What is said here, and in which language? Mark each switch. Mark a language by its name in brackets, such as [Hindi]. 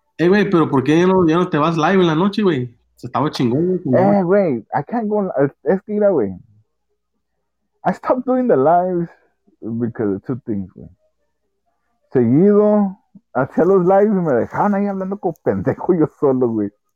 [Spanish] Hey, güey, pero ¿por qué ya no te vas live en la noche, güey? Se estaba chingón, güey. Güey, [English] I can't go. [Spanish] Es que mira, güey. [English] I stopped doing the lives because of 2 things, güey. [Spanish] Seguido, hacía los lives y me dejaban ahí hablando como pendejo yo solo, güey.